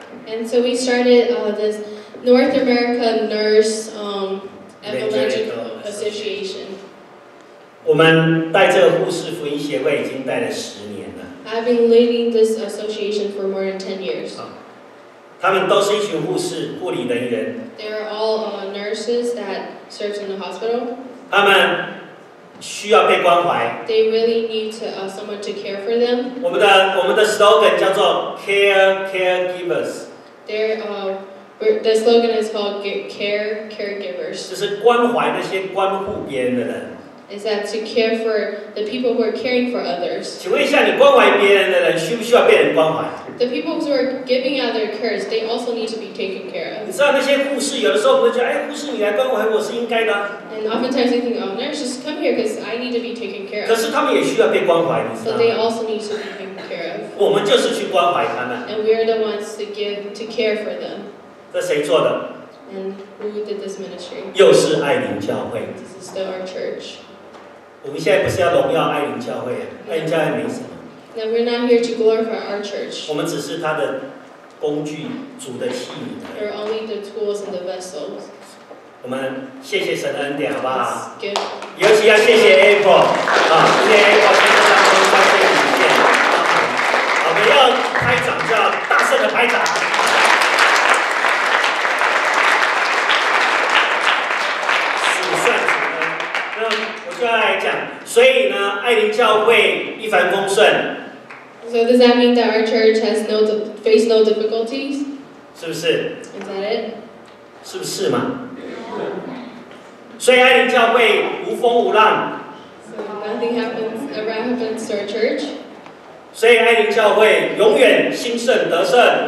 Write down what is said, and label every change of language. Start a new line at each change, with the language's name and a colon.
English: And so we started this North America Nurse Evangelical Association.
Chinese: 我们带这个护士福音协会已经带了10年了。
English: I've been leading this association for more than 10 years.
Chinese: 他们都是一群护士、护理人员。
English: They are all nurses that serve in the hospital.
Chinese: 他们。需要被关怀。
English: They really need to, someone to care for them.
Chinese: 我们的 slogan 叫做 caregivers.
English: The slogan is called caregivers.
Chinese: 就是关怀那些关护别人的人。
English: Is that to care for the people who are caring for others?
Chinese: 请问一下，你关怀别人的人需不需要被人关怀
English: ？The people who are giving out their cares, they also need to be taken care of.
Chinese: 你知道那些护士有的时候不会觉得，哎，护士你来关怀我是应该的。
English: And oftentimes they think, oh, nurse, just come here because I need to be taken care of.
Chinese: 可是他们也需要被关怀，你知道吗
English: ？But they also need to be taken care of.
Chinese: 我们就是去关怀他们。
English: And we are the ones to give to care for them.
Chinese: 这谁做的
English: ？And who did this ministry?
Chinese: 又是爱灵教会。
English: This is still our church.
Chinese: 我们现在不是要荣耀爱灵教会啊，爱灵教会没什么。
English: No, we're not here to glorify our church.
Chinese: 我们只是他的工具，主的器皿。
English: They're only the tools and the vessels.
Chinese: 我们谢谢神的恩典，好不好？
English: Good.
Chinese: 尤其要谢谢 April 啊，谢谢 April 今天上中山这个体验。我们要拍掌，就要大声的拍掌。数算什么呢？那我就要来讲，所以呢，爱灵教会一帆风顺。
English: So does that mean that our church has no faced no difficulties?
Chinese: 是不是？
English: Is that it?
Chinese: 是不是嘛？所以爱灵教会无风无浪。
English: So nothing happens ever happens to our church.
Chinese: 所以爱灵教会永远兴盛得胜。